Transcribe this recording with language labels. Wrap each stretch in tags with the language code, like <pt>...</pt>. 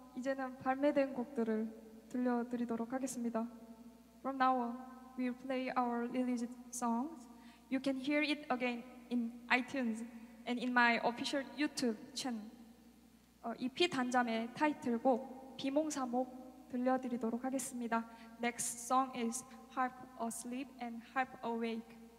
<ko>이제는 발매된 곡들을 들려드리도록 하겠습니다.</ko> <en>From now on, we will play our released songs. You can hear it again in iTunes and in my official YouTube channel.</en> <ko>EP 단잠의 타이틀곡 비몽사몽 들려드리도록 하겠습니다.</ko> <en>Next song is Half Asleep and Half Awake.</en>